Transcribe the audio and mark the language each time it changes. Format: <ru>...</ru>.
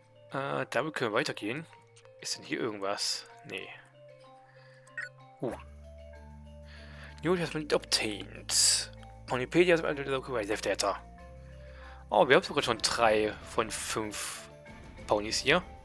<de>Damit können wir weitergehen. Ist denn hier irgendwas? Nee.</de> <en>Newt has been obtained. Ponypedia has been added to the localized data.</en> <de>Oh, wir haben sogar schon 3 von 5 Ponys hier.</de>